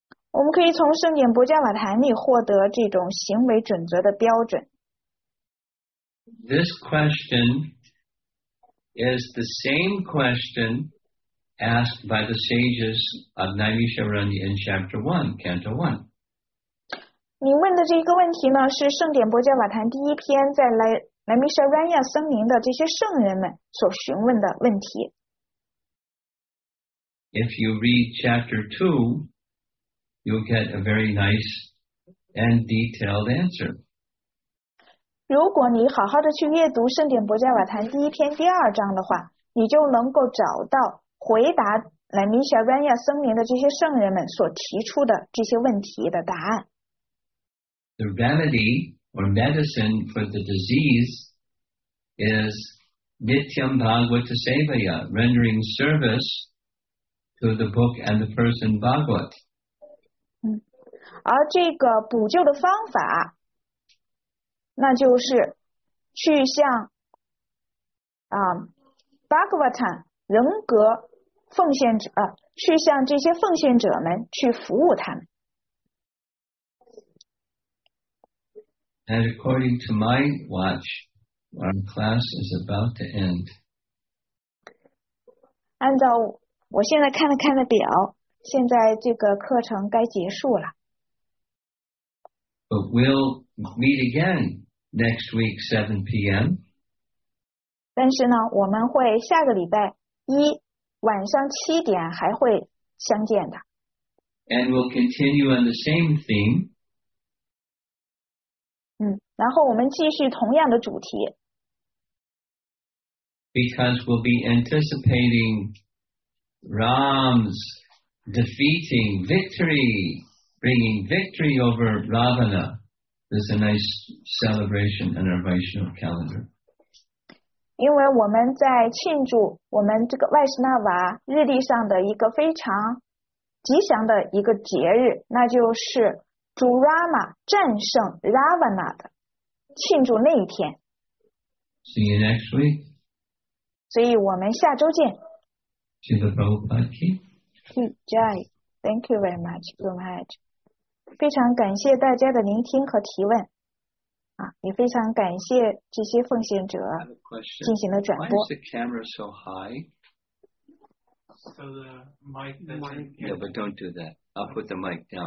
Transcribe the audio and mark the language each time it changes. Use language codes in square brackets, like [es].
[zh] 我们可以从圣典博迦瓦坛里获得这种行为准则的标准。 [en] This question is the same question asked by the sages of Naimisharani in Chapter 1, Canto 1. [zh] 你问的这个问题呢，是圣典博迦瓦坛第一篇在Naimisharani森林的这些圣人们所询问的问题。 [en] If you read Chapter 2, you'll get a very nice and detailed answer. [zh] 如果你好好的去阅读圣典博迦瓦坛第一篇第二章的话，你就能够找到回答莱米夏瑞亚僧尼的这些圣人们所提出的这些问题的答案。 [en] The remedy or medicine for the disease is Nityam Bhagavata Sevaya, rendering service to the book and the person Bhagavat. [zh] 而这个补救的方法那就是去向Bhagavatam 人格奉献者去向这些奉献者们去服务他们。 [en] And according to my watch, our class is about to end. [zh] 按照我现在看了看的表，现在这个课程该结束了。 [en] But we'll meet again. Next week, 7 p.m. [zh] 但是呢，我们会下个礼拜一晚上七点还会相见的。 [en] And we'll continue on the same theme. [zh] 然后我们继续同样的主题。 [en] Because we'll be anticipating Ram's defeating victory, bringing victory over Ravana. This is a nice celebration in our Vaishnava calendar. [zh] 因为我们在庆祝我们这个外斯纳瓦日历上的一个非常吉祥的一个节日，那就是主 Rama 战胜 Ravana 的庆祝那一天。 [en] See you next week. [zh] 所以我们下周见。 [en] To the Prabhupada ki. Ki jai. Thank you very much, Guru Maharaj. [zh] 非常感谢大家的聆听和提问，也非常感谢这些奉献者进行了转播。 [en] Why is the camera so high? So the mic. No, but don't do that. I'll put the mic down.